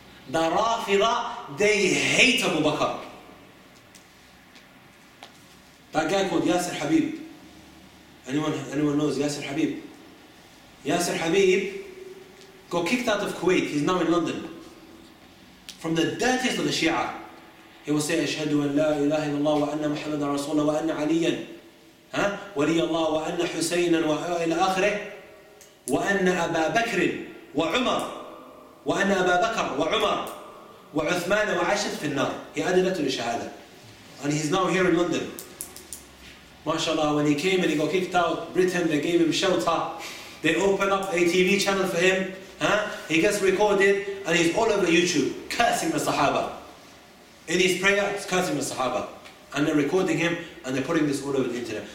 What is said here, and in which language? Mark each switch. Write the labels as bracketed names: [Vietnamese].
[English] The Rafida, they hate Abu Bakr. That guy called Yasir Habib. Anyone knows Yasir Habib? Yasir Habib got kicked out of Kuwait. He's now in London. From the dirtiest of the Shia. He will say, [Arabic] أشهد أن لا إله إلا الله وأن محمد رسول الله وأن عليا ولي الله وأن حسينا وإلى آخره وأن أبا بكر وعمر وأن أبا بكر وعمر وعثمان وعشر في النار. [English] He added that to the shahada. And he's now here in London. MashaAllah, when he came and he got kicked out, Britain, they gave him shelter. They opened up a TV channel for him. He gets recorded and he's all over YouTube cursing the Sahaba. In his prayer, he's cursing the Sahaba. And they're recording him and they're putting this all over the internet.